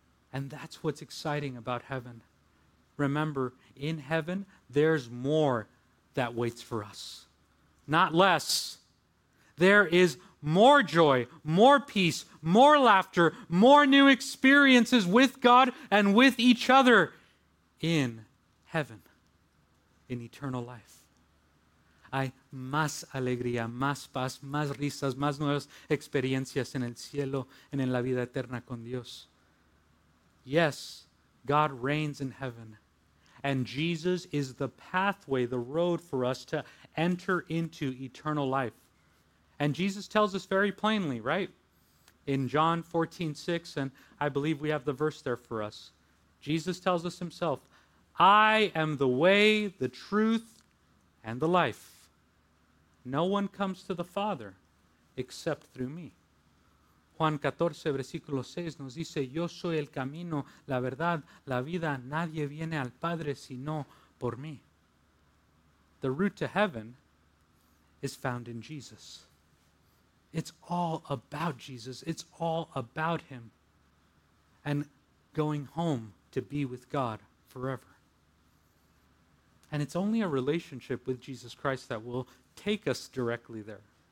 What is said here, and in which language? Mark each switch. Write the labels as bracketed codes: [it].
[en] And that's what's exciting about heaven. Remember, in heaven, there's more that waits for us, not less. There is more joy, more peace, more laughter, more new experiences with God and with each other in heaven, in eternal life. [es] Hay más alegría, más paz, más risas, más nuevas experiencias en el cielo, en la vida eterna con Dios. [en] Yes, God reigns in heaven. And Jesus is the pathway, the road for us to enter into eternal life. And Jesus tells us very plainly, right? In John 14, 6, and I believe we have the verse there for us. Jesus tells us himself, I am the way, the truth, and the life. No one comes to the Father except through me. [es] Juan 14, versículo 6, nos dice, yo soy el camino, la verdad, la vida, nadie viene al Padre sino por mí. [en] The route to heaven is found in Jesus. It's all about Jesus. It's all about him and going home to be with God forever. And it's only a relationship with Jesus Christ that will take us directly there.